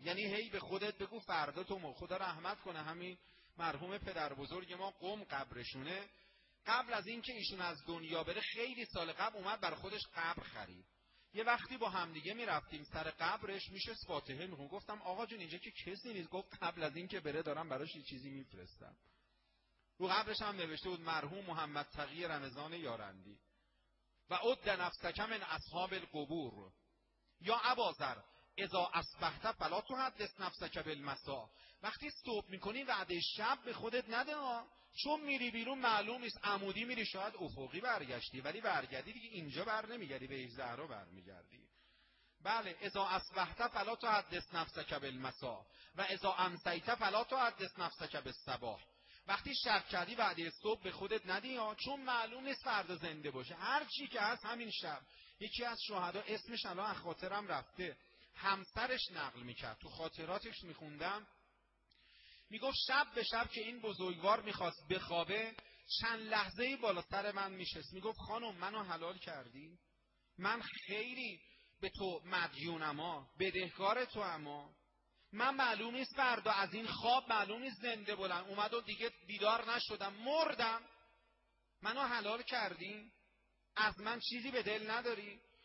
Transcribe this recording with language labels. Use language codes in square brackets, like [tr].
[fa] یعنی هی به خودت بگو فردا تو مو خدا رحمت کنه همین مرحوم پدر بزرگ ما قم قبرشونه، قبل از اینکه ایشون از دنیا بره خیلی سال قبل اومد بر خودش قبر خرید. یه وقتی با همدیگه میرفتیم سر قبرش میشست فاتحه میخون، گفتم آقا جون اینجا که کسی نیست. گفت قبل از اینکه بره دارم براش یه چیزی میفرستم. رو قبرش هم نوشته بود مرحوم محمد تقی رمضان یارندی. [ar] و اد نفسک من اصحاب القبور، یا ابا ذر اذا اصبحت فلا تحدث نفسک بالمساء. [fa] وقتی صبح میکنی وعده شب به خودت نده ها، چون میری بیرون معلوم نیست، عمودی میری شاید افقی برگشتی، ولی برگردی دیگه اینجا بر نمیگردی، به زهرا بر میگردی. [ar] بله، اذا اصبحت فلا تحدث نفسک بالمساء و اذا امسیت فلا تحدث نفسک بالصباح. [fa] وقتی شب کردی وعده صبح به خودت ندی ها، چون معلوم نیست فردا زنده باشه. هر چی که هست همین شب، یکی از شهدا اسمش الان از خاطرم رفته، همسرش نقل میکرد تو خاطراتش میخوندم، میگفت شب به شب که این بزرگوار میخواست بخوابه چند لحظه بالا سر من میشست، میگفت خانم منو حلال کردی، من خیلی به تو مدیونم، اما بدهکار تو، اما من معلوم نیست فردا از این خواب معلوم نیست زنده بودم، اومد و دیگه بیدار نشدم، مردم، منو حلال کردی، از من چیزی به دل نداری.